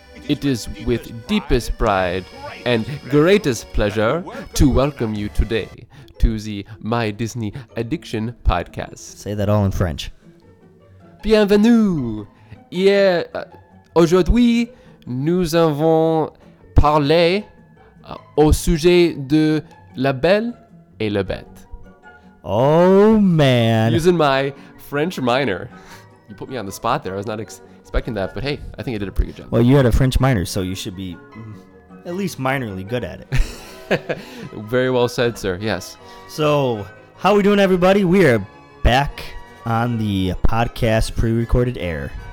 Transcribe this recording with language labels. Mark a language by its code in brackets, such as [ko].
[en] It is with deepest pride and greatest pleasure to welcome you today to the My Disney Addiction podcast. Say that all in French. [fr] Bienvenue. Hier, aujourd'hui, nous avons parlé au sujet de La Belle et la Bête. [en] Oh man. Using my French minor. You put me on the spot there. I was not expecting that, but hey, I think I did a pretty good job. Well, you had a French minor, so you should be at least minorly good at it. Very well said, sir. Yes. So, how are we doing, everybody? We are back on the podcast pre-recorded air.